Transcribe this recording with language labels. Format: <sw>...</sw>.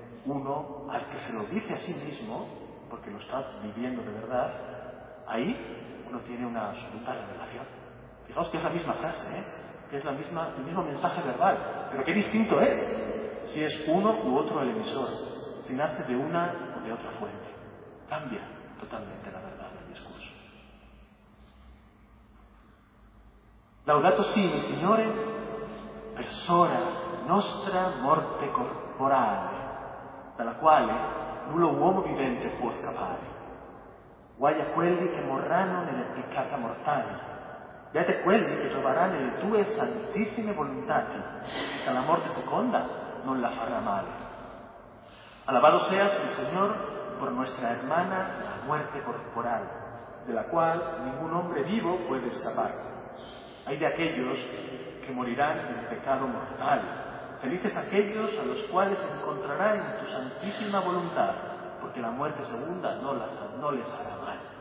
<es>Uno al que se lo dice a sí mismo, porque lo está viviendo de verdad, ahí uno tiene una absoluta revelación. Fijaos que es la misma frase, ¿eh? Que es el mismo mensaje verbal. Pero qué distinto es si es uno u otro el emisor, si nace de una o de otra fuente. Cambia totalmente la verdad del discurso.</es> <it>Laudato si, mi Signore, persona nostra morte corporale, dalla quale nullo uomo vivente può scappare. Guai a quelli che morranno nelle peccata mortali, beati quelli che troveranno nelle tue santissime volontati, che la morte seconda non la farà male.</it> <es>Alabado seas,</es> <it>mi Signore,</it> <es>por nuestra hermana la muerte corporal, de la cual ningún hombre vivo puede escapar. Hay de aquellos que morirán en pecado mortal. Felices aquellos a los cuales encontrarán en tu santísima voluntad, porque la muerte segunda no les hará mal.</es>